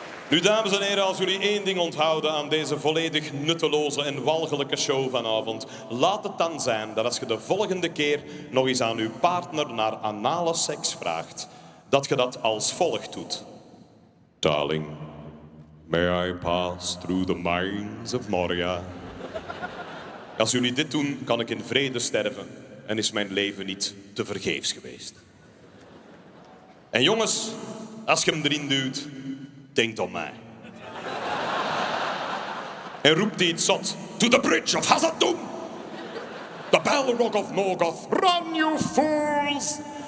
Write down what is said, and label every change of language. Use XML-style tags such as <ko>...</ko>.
<nl>Nu, dames en heren, als jullie één ding onthouden aan deze volledig nutteloze en walgelijke show vanavond, laat het dan zijn dat als je de volgende keer nog eens aan uw partner naar anale seks vraagt, dat je dat als volgt doet.</nl> <en>Darling, may I pass through the mines of Moria?</en> <nl>Als jullie dit doen, kan ik in vrede sterven en is mijn leven niet te vergeefs geweest. En jongens, als je hem erin duwt, denk om mij. En roept iets zot.</nl> <en>To the bridge of Hazardum! The Balrog of Morgoth, run you fools!</en>